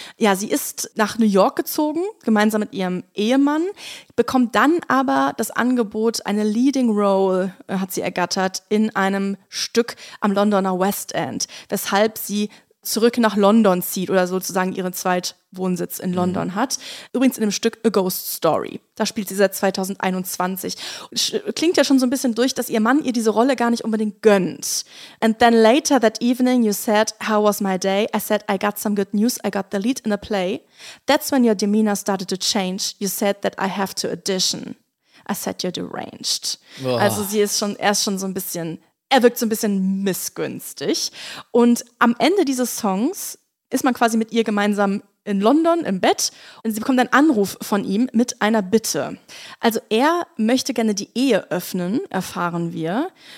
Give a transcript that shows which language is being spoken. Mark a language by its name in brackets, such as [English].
[German] Ja, sie ist nach New York gezogen, gemeinsam mit ihrem Ehemann, bekommt dann aber das Angebot, eine Leading Role hat sie ergattert in einem Stück am Londoner West End, weshalb sie zurück nach London zieht oder sozusagen ihren Zweitwohnsitz in London hat. Übrigens in dem Stück A Ghost Story. Da spielt sie seit 2021. Klingt ja schon so ein bisschen durch, dass ihr Mann ihr diese Rolle gar nicht unbedingt gönnt. [English] And then later that evening you said, how was my day? I said, I got some good news. I got the lead in a play. That's when your demeanor started to change. You said that I have to audition. I said, you're deranged. Oh. [German] Also sie ist schon erst schon so ein bisschen... Er wirkt so ein bisschen missgünstig. Und am Ende dieses Songs ist man quasi mit ihr gemeinsam in London im Bett. Und sie bekommt einen Anruf von ihm mit einer Bitte. Also er möchte gerne die Ehe öffnen, erfahren wir.